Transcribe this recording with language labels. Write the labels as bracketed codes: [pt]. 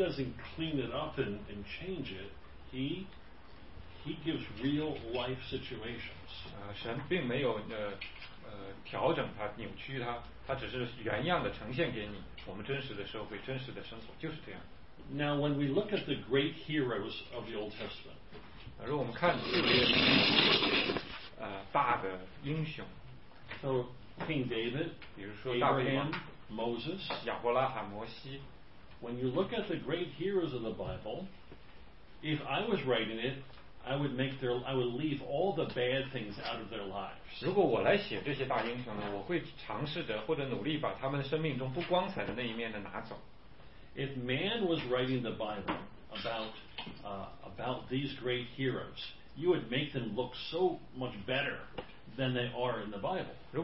[en] doesn't clean it up and change it. He gives real life situations. [zh] 神并没有调整它、扭曲它，它只是原样的呈现给你，我们真实的社会、真实的生活就是这样。Now [en] when we look at the great heroes of the Old Testament, [zh] 如果我们看这些大的英雄。 [en] So King David, Abraham, Moses, [zh] 亚伯拉罕、摩西, [en] when you look at the great heroes of the Bible, if I was writing it, I would leave all the bad things out of their lives. [zh] 如果我来写这些大英雄呢，我会尝试着或者努力把他们生命中不光彩的那一面的拿走。 [en] If man was writing the Bible about these great heroes, you would make them look so much better than they are in the Bible.